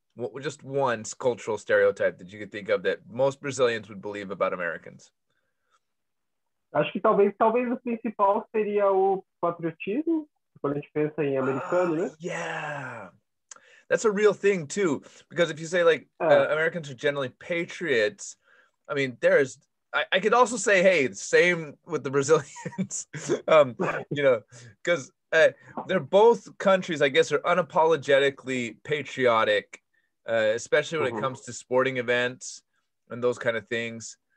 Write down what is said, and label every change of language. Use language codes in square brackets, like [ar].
[en] What, just one cultural stereotype that you could think of that most Brazilians would believe about Americans? [pt] Acho que talvez o principal seria o patriotismo, quando a gente pensa em americano, né? [en] That's a real thing too, because if you say like Americans are generally patriots, I mean, I could also say, hey, same with the Brazilians, because they're both countries, I guess, are unapologetically patriotic, especially when it comes to sporting events and those kind of things.